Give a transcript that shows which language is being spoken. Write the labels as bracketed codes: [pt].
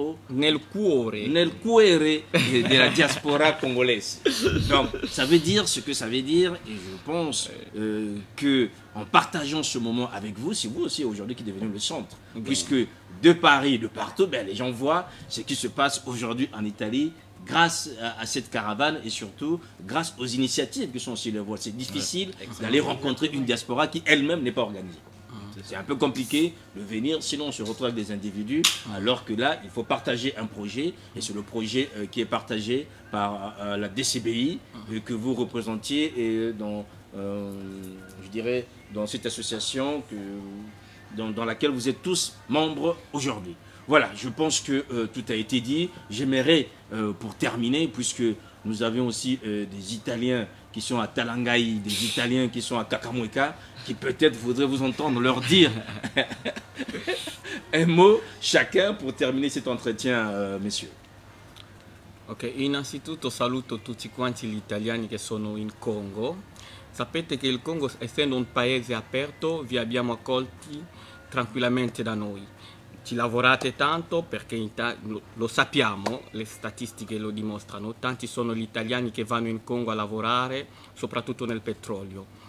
[it] Nel cuore [fr] de la diaspora congolaise. Donc, ça veut dire ce que ça veut dire. Et je pense qu'en partageant ce moment avec vous, c'est vous aussi aujourd'hui qui devenez le centre. Bien. Puisque de Paris, de partout, ben, les gens voient ce qui se passe aujourd'hui en Italie grâce à cette caravane et surtout grâce aux initiatives que sont aussi les voix. C'est difficile d'aller rencontrer une diaspora qui elle-même n'est pas organisée. C'est un peu compliqué de venir, sinon on se retrouve avec des individus, alors que là, il faut partager un projet, et c'est le projet qui est partagé par la DCBI, que vous représentiez, et dans, je dirais, dans cette association que, dans laquelle vous êtes tous membres aujourd'hui. Voilà, je pense que tout a été dit. J'aimerais, pour terminer, puisque nous avions aussi des Italiens qui sont à Talangaï, des Italiens qui sont à Kakamweka, qui peut-être voudraient vous entendre leur dire un mot chacun pour terminer cet entretien, messieurs. [it] Ok, innanzitutto saluto tutti quanti gli italiani che sono in Congo. Sapete che il Congo, essendo un paese aperto, vi abbiamo accolti tranquillamente da noi. Ci lavorate tanto perché lo sappiamo, le statistiche lo dimostrano, tanti sono gli italiani che vanno in Congo a lavorare, soprattutto nel petrolio.